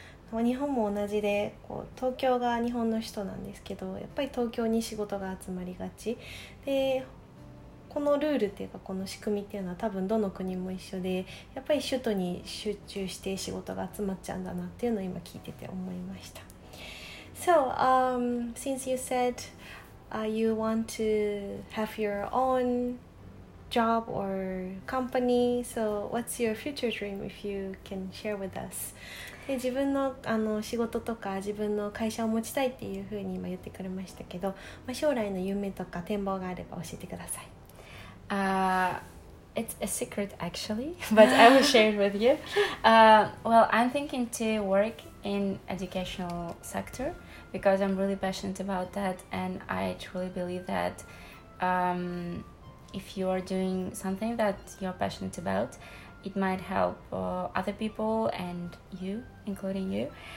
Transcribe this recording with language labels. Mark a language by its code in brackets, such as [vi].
[ja] 日本も同じで、こう東京が日本の首都なんですけど、やっぱり東京に仕事が集まりがちで、このルールっていうかこの仕組みっていうのは多分どの国も一緒で、やっぱり首都に集中して仕事が集まっちゃうんだなっていうのを今聞いてて思いました。 [en] So, since you said you want to have your own job or company, so what's your future dream if you can share with us? [ja] で自分 の, あの仕事とか自分の会社を持ちたいっていうふうに今言ってくれましたけど、まあ、将来の夢とか展望があれば教えてください。 [en] It's a secret actually, but I will share it with you. Well, I'm thinking to work in educational sector because I'm really passionate about that, and I truly believe that if you are doing something that you're passionate about, it might help other people and you, including you.